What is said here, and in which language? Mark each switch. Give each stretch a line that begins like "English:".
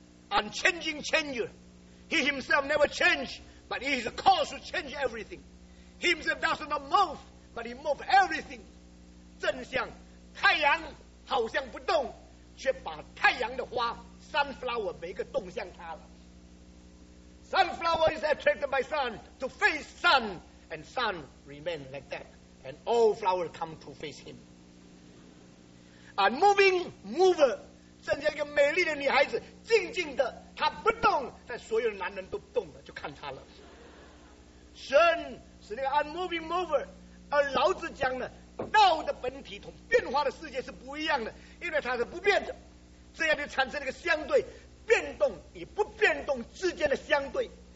English: unchanging changer, he himself never change but he is a cause to change everything, he himself does not move but he move everything,
Chinese: 正像太阳好像不动，却把太阳的花sunflower 每个动向它了，
English: Sunflower is attracted by sun to face sun, and sun remains like that, and all flowers come to face him. A moving mover,
Chinese: 正像一个美丽的女孩子，静静的，她不动，但所有的男人都动了，就看她了。神是那个
English: unmoving mover，
Chinese: 而老子讲呢，道的本体同变化的世界是不一样的，因为它是不变的，这样就产生了一个相对，变动与不变动之间的相对。